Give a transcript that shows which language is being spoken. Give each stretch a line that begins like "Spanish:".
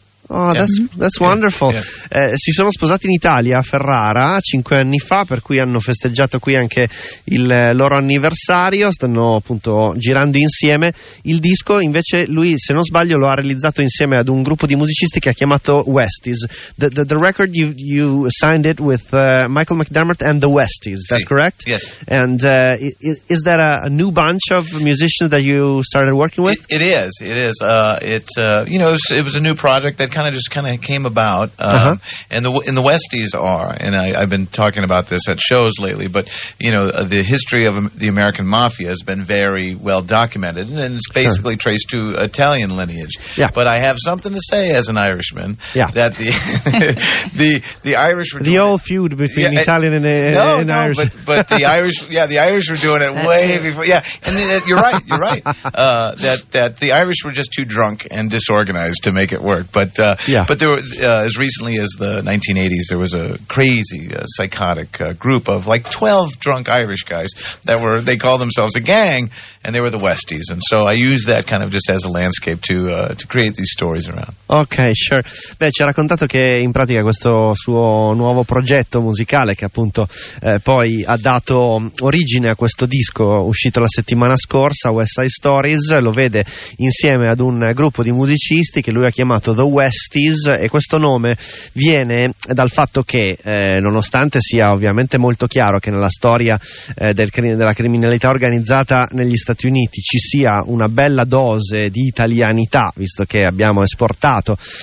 English: Oh, that's wonderful. Yeah, yeah.
Italian: Si sono sposati in Italia, a Ferrara, 5 anni fa, per cui hanno festeggiato qui anche il loro anniversario. Stanno appunto girando insieme. Il disco invece lui, se non sbaglio, lo ha realizzato insieme ad un gruppo di musicisti che ha chiamato Westies.
English: The record you signed it with Michael McDermott and the Westies,
Italian: sì.
English: That's correct? Yes. And is that a new bunch of musicians that you started working with? It is. It was a new project that kind of came about, and the Westies are, and I've been talking about this at shows lately, but you know, the history of the American Mafia has been very well documented, and it's basically traced to Italian lineage. Yeah. But I have something to say as an Irishman. Yeah. That the Irish were the old feud between Italian and Irish. But the Irish, the Irish were doing it before. Yeah, and you're right. That the Irish were just too drunk and disorganized to make it work, but there were, as recently as the 1980s, there was a crazy, psychotic group of like 12 drunk Irish guys that were, they called themselves a gang, and they were the Westies. And so I used that kind of just as a landscape to create these stories around. Okay, sure.
Italian: Beh, ci ha raccontato che in pratica questo suo nuovo progetto musicale, che appunto poi ha dato origine a questo disco uscito la settimana scorsa, West Side Stories, lo vede insieme ad un gruppo di musicisti che lui ha chiamato The Westies, e questo nome viene dal fatto che nonostante sia ovviamente molto chiaro che nella storia della criminalità organizzata negli Stati Uniti ci sia una bella dose di italianità, visto che abbiamo esportato